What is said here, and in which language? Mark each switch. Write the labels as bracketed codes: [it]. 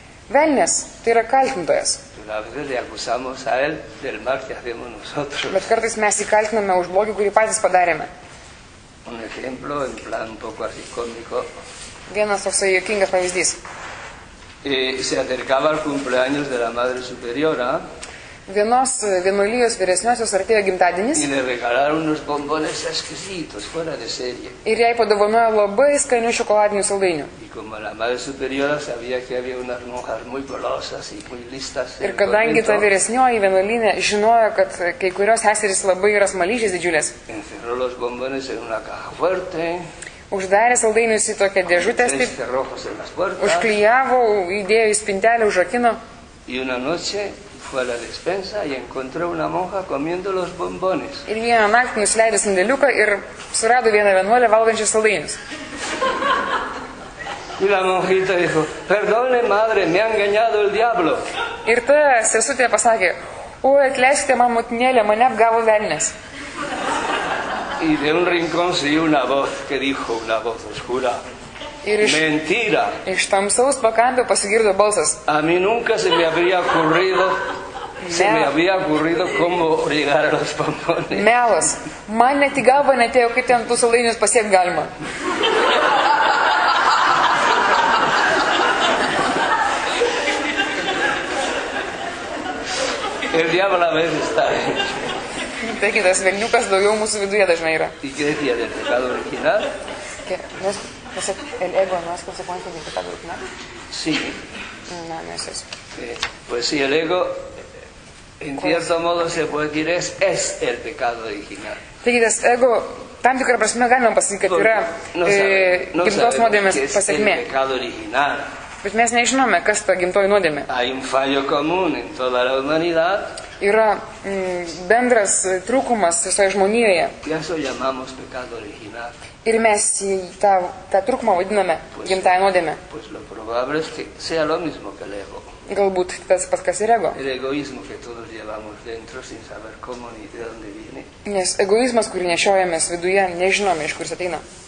[lt] Velnės, tai yra kaltintojas. [es] A veces le acusamos a él del mal que hacemos nosotros. [lt] Bet kartais mes įkaltiname už blogį, kurį patys padarėme. [es] Un ejemplo, en plan un poco así cómico. [lt] Vienas toksai juokingas pavyzdys. [es] Se acercaba al cumpleaños de la madre superiora. [lt] Vienos vienuolijos vyresniosios artėjo gimtadienis. [es] Y le regalaron unos bombones exquisitos, fuera de serie. [lt] Ir jai padovanojo labai skanių šokoladinių saldainių. [es] Como la madre superiora sabía que había unas monjas muy golosas y muy listas. [lt] Ir kadangi ta vyresnioji vienuolinė žinojo, kad kai kurios seserys labai yra smaližės didžiulės. [es] Encerró los bombones en una caja fuerte. [lt] Uždarė saldainius į tokią dėžutę, taip, užklijavo, įdėjo į spintelę, užrakino. [es] Y una noche fue a la despensa y encontró una monja comiendo los bombones. [lt] Ir vieną naktį nusileido sandėliuką ir surado vieną vienuolę valgančią saldainius. [es] Y la monjita dijo, perdone madre, me ha engañado el diablo. [lt] Ir ta sesutė pasakė, oi, atleiskite man motinėlė, mane apgavo velnės. [es] Y de un rincón se oyó una voz que dijo, una voz oscura, mentira. [lt] Iš tamsaus pakampio pasigirdo balsas. [es] A mí nunca se me habría ocurrido, se me había ocurrido cómo llegar a los pompones. [lt] Melas, man net į galvą netėjo, kaip ten tus saldainius pasiekti galima. [es] El diablo a veces está hecho. [lt] Taigi, tas velniukas daugiau mūsų viduje dažnai yra. [es] ¿Y qué decía del pecado original? ¿El ego no es consecuencia del pecado original? Sí. No, no es eso. Pues sí, el ego, en cierto modo se puede decir, es el pecado original. [lt] Taigi, tas ego, tam tikrą prasme galima pasakyti, kad yra gimtos nuodėmės pasekmė. [es] No sabemos que es el pecado original. [lt] bet mes nežinome, kas ta gimtoji nuodėmė. [es] Hay un fallo común en toda la humanidad. [lt] Yra bendras trūkumas visoje žmonijoje. [es] Eso llamamos pecado original. [lt] Ir mes tą trūkumą vadiname gimtąją nuodėmę. [es] Pues lo probable es que sea lo mismo que el ego. [lt] Galbūt tas pats, kas ir ego. [es] El egoísmo que todos llevamos dentro sin saber cómo ni de dónde viene. [lt] Nes egoizmas, kurį nešiojamės viduje, nežinome, iš kur jis ateina.